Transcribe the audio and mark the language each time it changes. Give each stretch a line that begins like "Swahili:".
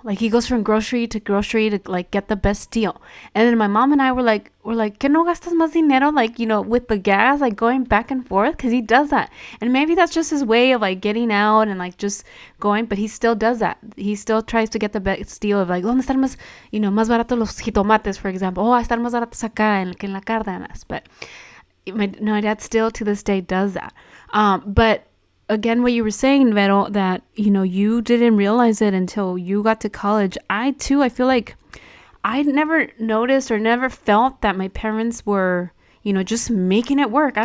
English: Like he goes from grocery to like get the best deal. And then my mom and I were like,
Spanish: ¿que no gastas más dinero?
English: Like, you know, with the gas, like going back and forth, because he does that. And maybe that's just his way of like getting out and like just going, but he still does that. He still tries to get the best deal of like,
Spanish: ¿dónde están más,
English: you know,
Spanish: más baratos los jitomates,
English: for example?
Spanish: Oh, están más baratos acá en que en la Cárdenas.
English: But my dad still to this day does that. But again, what you were saying, Vero, that, you know, you didn't realize it until you got to college. I feel like I never noticed or never felt that my parents were, you know, just making it work.